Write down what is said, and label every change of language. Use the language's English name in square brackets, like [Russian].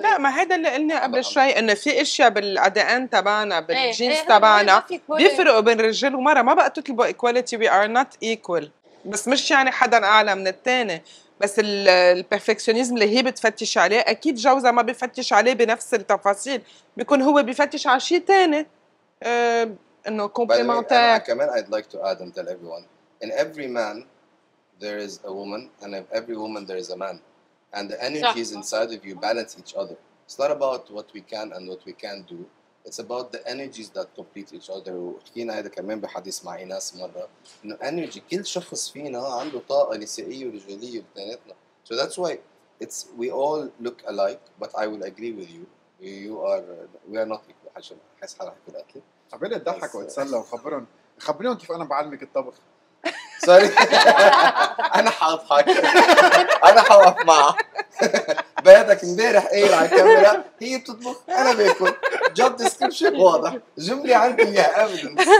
[Arabic] لا ما هيدا اللي قلنا قبل شوي، انه في اشياء بالادان تبعنا بالجينز تبعنا بيفرقوا بين رجل ومرأة. ما بقى تطلبوا [English] equality، we are not equal، [Arabic] بس مش يعني حدا اعلى من الثاني. بس البرفكسيونيزم اللي هي بتفتش عليه، اكيد جوزها ما بيفتش عليه بنفس التفاصيل، بيكون هو بيفتش على شيء ثاني. انه كومبليمونتير كمان. [English] I'd like to add and tell everyone, in every man there is a woman and in every woman there is a man, and the energies inside of you balance each other. It's not about what we can and what we can't do, it's about the energies that complete each other. [Arabic] وحكينا هذا كمان بحديث مع ايناس مره، انه energy كل شخص فينا عنده طاقه نسائيه ورجاليه بتاعتنا. [English] So that's why it's we all look alike, but I will agree with you, we are not equal. [Arabic] عشان احس حالك بالاكل عبالي اتضحك واتسلى وخبرهم خبرهم كيف انا بعلمك الطبخ. سوري انا حاضحك انا حوقف معه بيتك امبارح قايل على الكاميرا هي بتطبخ انا باكل. جوب ديسكريبشن واضح، جمله عندي اياها ابدا.